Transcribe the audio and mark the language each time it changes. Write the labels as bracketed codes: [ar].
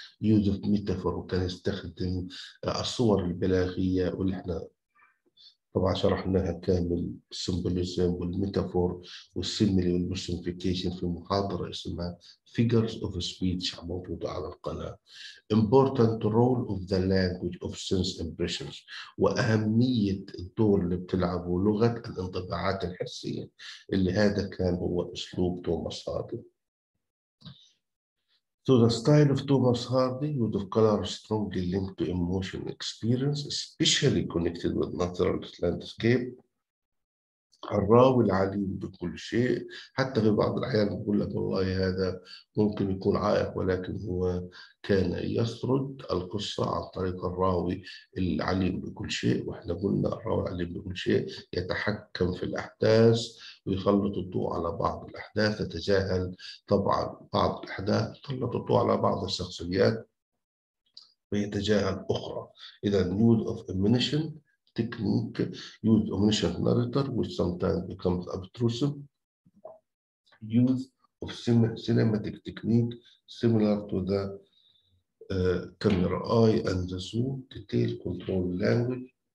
[en] Use of metaphor, [ar] وكان يستخدم الصور البلاغية واللي احنا طبعا شرحناها كامل, symbolism والميتافور والسيميلي والمسنفيكيشن في محاضرة اسمها Figures of Speech موجودة على القناة. [en] Important role of the language of sense impressions, [ar] وأهمية الدور اللي بتلعبه لغة الانطباعات الحسية, اللي هذا كان هو أسلوب توماس هاردي. [en] So the style of Thomas Hardy, use of color strongly linked to emotion experience, especially connected with natural landscape. [ar] الراوي العليم بكل شيء, حتى في بعض الأحيان يقول لك والله هذا ممكن يكون عائق, ولكن هو كان يسرد القصة عن طريق الراوي العليم بكل شيء. وإحنا قلنا الراوي العليم بكل شيء يتحكم في الأحداث ويخلط الضوء على بعض الأحداث, يتجاهل طبعا بعض الأحداث, يخلط الضوء على بعض الشخصيات ويتجاهل أخرى. [en] إذا نود أوف إمينيشن technique, use omniscient narrator which sometimes becomes obtrusive, use of cinematic technique similar to the camera eye and the zoom, detail control language,